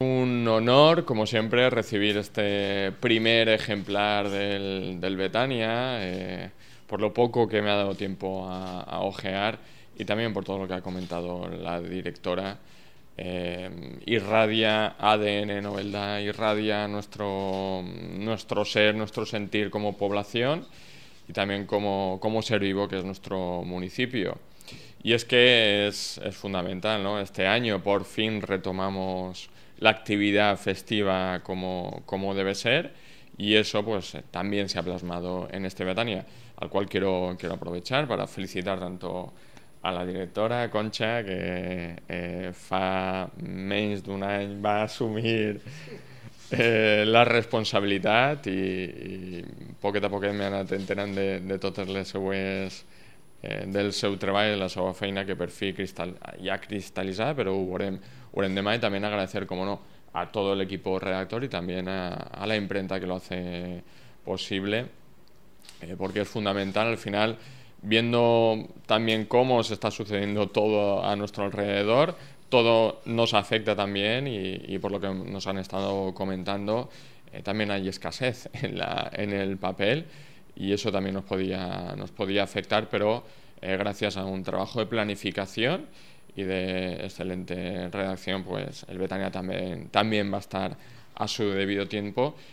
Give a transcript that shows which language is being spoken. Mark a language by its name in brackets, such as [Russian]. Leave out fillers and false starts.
[Spanish] honor, como siempre, recibir este primer ejemplar del Betania, por lo poco que me ha dado tiempo a ojear y también por todo lo que ha comentado la directora. Irradia ADN Novelda, irradia nuestro ser, nuestro sentir como población y también como ser vivo, que es nuestro municipio. Y es que es fundamental, ¿no? Este año por fin retomamos la actividad festiva como debe ser, y eso pues también se ha plasmado en este Betania, al cual quiero aprovechar para felicitar tanto a la directora Concha, [Catalan] que fa menys d'un any va assumir la responsabilitat, i poquet a poquet m'he anat enterant de totes les seues del seu treball, la seva feina, que per fi ja cristal·litzada, però ho veurem demà. I també agradecer, com no, a tot l'equip redactor i també a la impremta, que [Spanish] lo hace [Catalan] possible, perquè és fundamental. [Spanish] Al final, viendo también cómo se está sucediendo todo a nuestro alrededor, todo nos afecta también, y por lo que nos han estado comentando, también hay escasez en el papel, y eso también nos podía afectar, pero gracias a un trabajo de planificación y de excelente redacción, pues el Betania también va a estar a su debido tiempo.